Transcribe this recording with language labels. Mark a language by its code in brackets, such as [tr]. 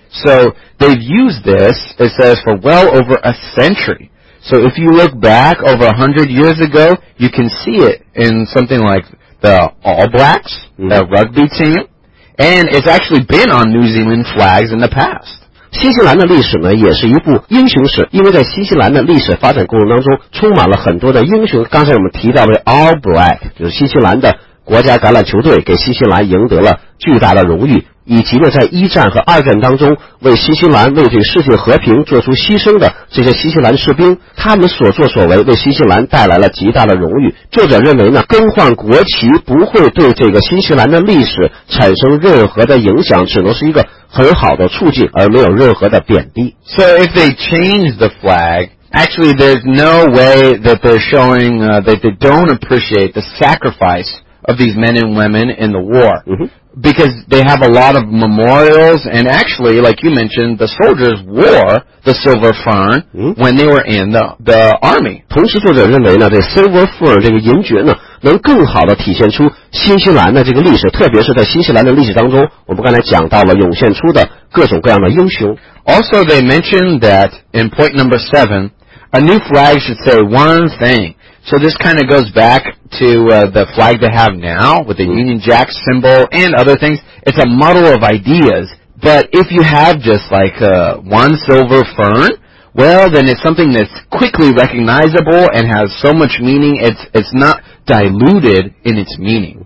[en] So they've used this, it says, for well over a century. So if you look back over 100 years ago, you can see it in something like the All Blacks,、mm-hmm. the rugby team. And it's actually been on New Zealand flags in the past. [zh] 新西兰的历史呢也是一部英雄史，因为在新西兰的历史发展过程当中充满了很多的英雄。刚才我们提到的 All Black 就是新西兰的国家橄榄球队，给新西兰赢得了巨大的荣誉，以及呢在一战和二战当中为新西兰为这个世界和平做出牺牲的这些新西兰士兵，他们所作所为为新西兰带来了极大的荣誉。作者认为呢，更换国旗不会对这个新西兰的历史产生任何的影响，只能是一个很好的促进，而没有任何的贬低。 [en] So if they change the flag, actually there's no way that they're showing that they don't appreciate the sacrifice of these men and women in the war、 mm-hmm. because they have a lot of memorials, and actually, like you mentioned, the soldiers wore the silver fern、mm-hmm. when they were in the army. [zh] 同时作者认为呢，这 silver fern 这个银蕨呢能更好地体现出新西兰的这个历史，特别是在新西兰的历史当中，我们刚才讲到了涌现出的各种各样的英雄。 [en] Also, they mentioned that in point number 7, a new flag should say one thing. So this kind of goes back to the flag they have now with the、mm-hmm. Union Jack symbol and other things. It's a muddle of ideas. But if you have just like one silver fern,Well, then it's something that's quickly recognizable and has so much meaning, it's not diluted in its meaning.